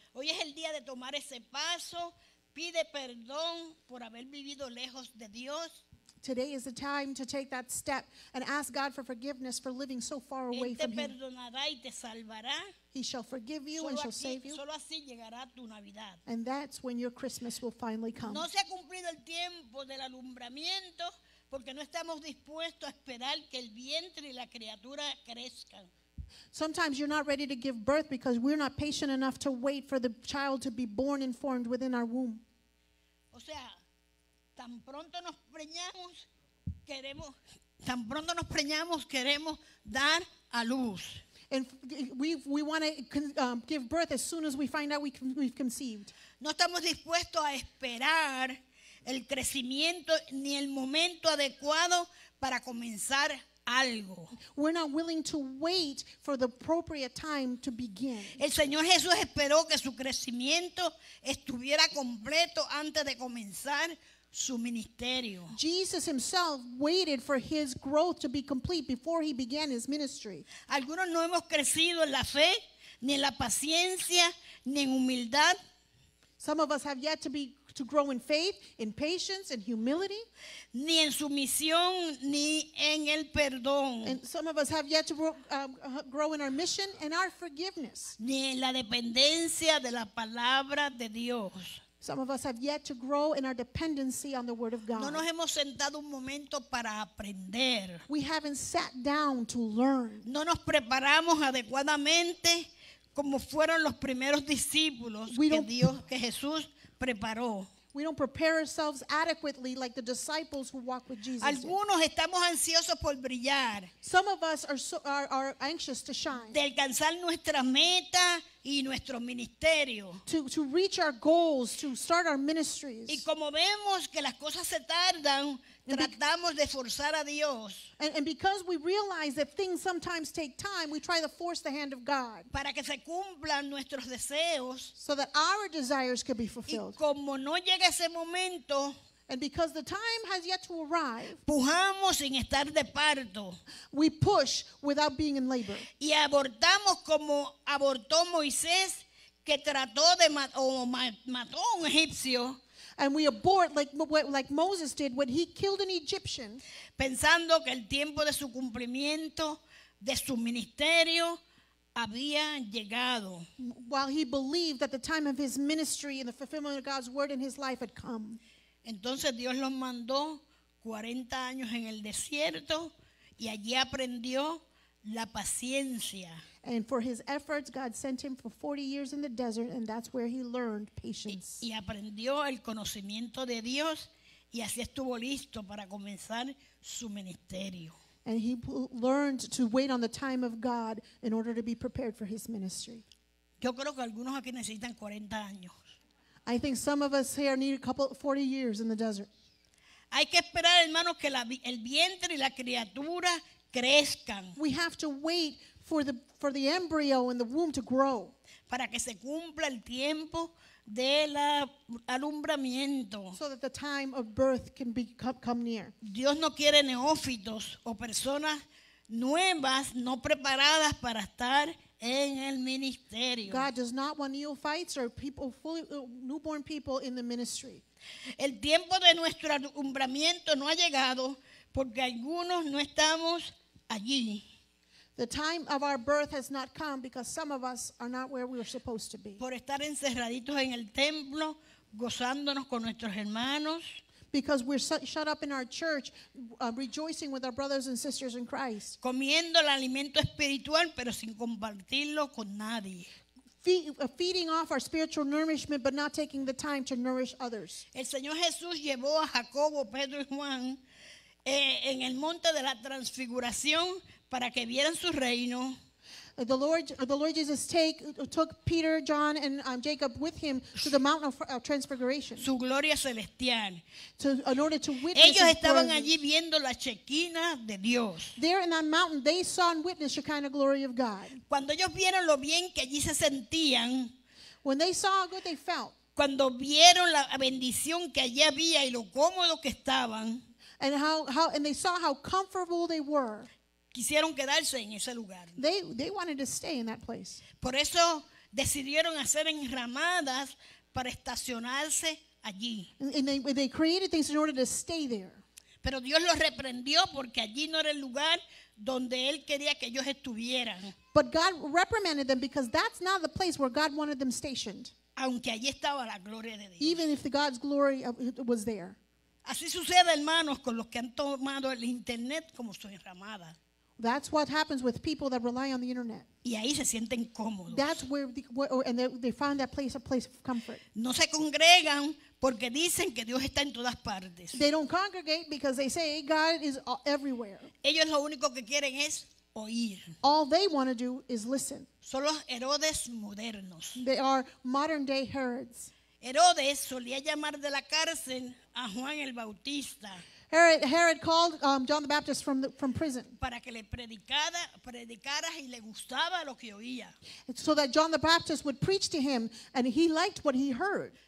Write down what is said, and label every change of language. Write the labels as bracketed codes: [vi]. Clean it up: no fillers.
[es] Hoy es el día de tomar ese paso pide perdón por haber vivido lejos de Dios. [en] Today is the time to take that step and ask God for forgiveness for living so far away from Him. [es] Él te perdonará y te salvará. [en] He shall forgive you and shall save you. [es] Solo así llegará tu Navidad. [en] And that's when your Christmas will finally come. [es] No se ha cumplido el tiempo del alumbramiento porque no estamos dispuestos a esperar que el vientre y la criatura crezcan. [en] Sometimes you're not ready to give birth because we're not patient enough to wait for the child to be born and formed within our womb. [es] O sea, tan pronto nos preñamos queremos dar a luz. [en] And we want to give birth as soon as we find out we've conceived. [es] No estamos dispuestos a esperar el crecimiento ni el momento adecuado para comenzar algo. [en] We're not willing to wait for the appropriate time to begin. [es] El Señor Jesús esperó que su crecimiento estuviera completo antes de comenzar su ministerio. [en] Jesus himself waited for his growth to be complete before he began his ministry. [es] Algunos no hemos crecido en la fe, ni en la paciencia, ni en humildad. [en] Some of us have yet to grow in faith, in patience, and humility. [es] Ni en sumisión, ni en el perdón. [en] And some of us have yet to grow in our mission and our forgiveness. [es] Ni en la dependencia de la palabra de Dios. [en] Some of us have yet to grow in our dependency on the Word of God. [es] No nos hemos sentado un momento para aprender. [en] We haven't sat down to learn. [es] No nos preparamos adecuadamente como fueron los primeros discípulos que Jesús preparó. [en] We don't prepare ourselves adequately like the disciples who walk with Jesus. [es] Algunos estamos ansiosos por brillar. [en] Some of us are anxious to shine. [es] De alcanzar nuestra meta y nuestro ministerio. [en] To reach our goals, to start our ministries. [es] Y como vemos que las cosas se tardan, tratamos de forzar a Dios. [en] And because we realize that things sometimes take time, we try to force the hand of God. [es] Para que se cumplan nuestros deseos. [en] So that our desires could be fulfilled. [es] Y como no llega ese momento, [en] and because the time has yet to arrive, [es] pujamos sin estar de parto. [en] We push without being in labor. [es] Y abortamos como abortó Moisés, que trató de mató a un egipcio. [en] And we abort like Moses did when he killed an Egyptian, [es] pensando que el tiempo de su cumplimiento de su ministerio había llegado, [en] while he believed that the time of his ministry and the fulfillment of God's word in his life had come. [es] Entonces Dios los mandó 40 años en el desierto y allí aprendió la paciencia. [en] And for his efforts, God sent him for 40 years in the desert, and that's where he learned patience. [es] Y aprendió el conocimiento de Dios, y así estuvo listo para comenzar su ministerio. [en] And he learned to wait on the time of God in order to be prepared for his ministry. [es] Yo creo que algunos aquí necesitan 40 años. [en] I think some of us here need 40 years in the desert. [es] Hay que esperar, hermanos, que el vientre y la criatura crezcan. [en] We have to wait for the embryo and the womb to grow. [es] Para que se cumpla el tiempo del alumbramiento. [en] So that the time of birth can come near. [es] Dios no quiere neófitos o personas nuevas no preparadas para estar en el ministerio. [en] God does not want neophytes or newborn people in the ministry. [es] El tiempo de nuestro alumbramiento no ha llegado porque algunos no estamos allí. [en] The time of our birth has not come because some of us are not where we are supposed to be. [es] Por estar encerraditos en el templo, gozándonos con nuestros hermanos. [en] Because we're shut up in our church, rejoicing with our brothers and sisters in Christ. [es] Comiendo el alimento espiritual, pero sin compartirlo con nadie. [en] Feeding off our spiritual nourishment, but not taking the time to nourish others. [es] El Señor Jesús llevó a Jacobo, Pedro y Juan en el monte de la transfiguración para que vieran su reino. [en] The Lord Jesus took Peter, John, and Jacob with him to the Mount of Transfiguration. [es] Su gloria celestial. [en] In order to witness. [es] Ellos estaban allí viendo la Shekinah de Dios. [en] There in that mountain, they saw and witnessed the Shekinah glory of God. [es] Cuando ellos vieron lo bien que allí se sentían. [en] When they saw how good they felt. [es] Cuando vieron la bendición que allí había y lo cómodo que estaban. [en] And how they saw how comfortable they were. [es] Quisieron quedarse en ese lugar. [en] They wanted to stay in that place. [es] Por eso decidieron hacer enramadas para estacionarse allí. [en] And they created things in order to stay there. [es] Pero Dios los reprendió porque allí no era el lugar donde él quería que ellos estuvieran. [en] But God reprimanded them because that's not the place where God wanted them stationed. [es] Aunque allí estaba la gloria de Dios. [en] Even if the God's glory was there. [es] Así sucede, hermanos, con los que han tomado el internet como su enramada. [en] That's what happens with people that rely on the internet. [es] Y ahí se sienten cómodos. [en] That's where they find that place, a place of comfort. [es] No se congregan porque dicen que Dios está en todas partes. [en] They don't congregate because they say God is everywhere. [es] Ellos lo único que quieren es oír. [en] All they want to do is listen. [es] Son los Herodes modernos. [en] They are modern day Herods. [es] Herodes solía llamar de la cárcel a Juan el Bautista. [en] Herod called John the Baptist from prison. [es] Para que le predicara y le gustaba lo que oía. [en] So that John the Baptist would preach to him and he liked what he heard.